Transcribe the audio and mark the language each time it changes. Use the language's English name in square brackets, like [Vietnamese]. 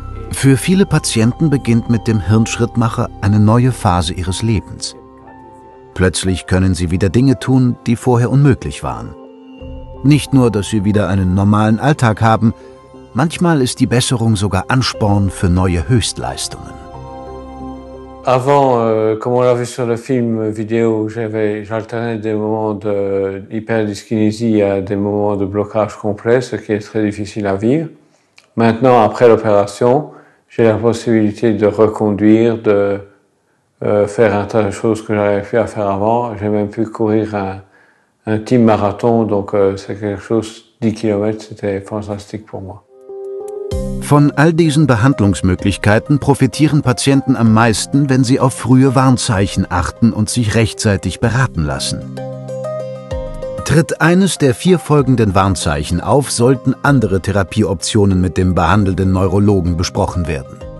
[German] Für viele Patienten beginnt mit dem Hirnschrittmacher eine neue Phase ihres Lebens. Plötzlich können sie wieder Dinge tun, die vorher unmöglich waren. Nicht nur, dass sie wieder einen normalen Alltag haben, manchmal ist die Besserung sogar Ansporn für neue Höchstleistungen. [French] Avant, comme on l'a vu sur le film vidéo, j'alternais des moments de hyperdyskinésie à des moments de blocage complet, ce qui est très difficile à vivre. Maintenant, après l'opération, j'ai la possibilité de reconduire, de faire un tas de choses que j'avais pu faire avant. J'ai même pu courir un petit marathon, donc c'est quelque chose, 10 km, c'était fantastique pour moi. [German] Von all diesen Behandlungsmöglichkeiten profitieren Patienten am meisten, wenn sie auf frühe Warnzeichen achten und sich rechtzeitig beraten lassen. Tritt eines der vier folgenden Warnzeichen auf, sollten andere Therapieoptionen mit dem behandelnden Neurologen besprochen werden.